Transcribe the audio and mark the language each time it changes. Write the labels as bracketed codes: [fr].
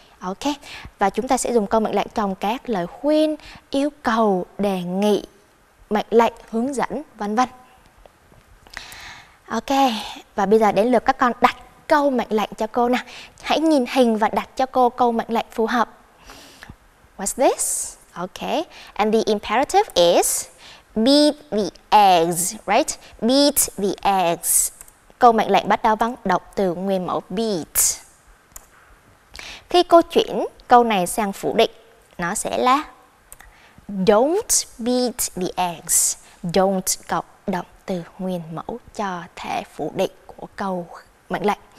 [vi] Ok, và chúng ta sẽ dùng câu mệnh lệnh trong các lời khuyên, yêu cầu, đề nghị, mệnh lệnh, hướng dẫn, vân vân. Ok, và bây giờ đến lượt các con đặt câu mệnh lệnh cho cô nào. Hãy nhìn hình và đặt cho cô câu mệnh lệnh phù hợp. [en] What's this? Ok, and the imperative is beat the eggs, right? Beat the eggs. [vi] Câu mệnh lệnh bắt đầu bằng động từ nguyên mẫu beat. Khi cô chuyển câu này sang phủ định, nó sẽ là [en] don't beat the eggs. [vi] Don't cộng động từ nguyên mẫu cho thể phủ định của câu mệnh lệnh.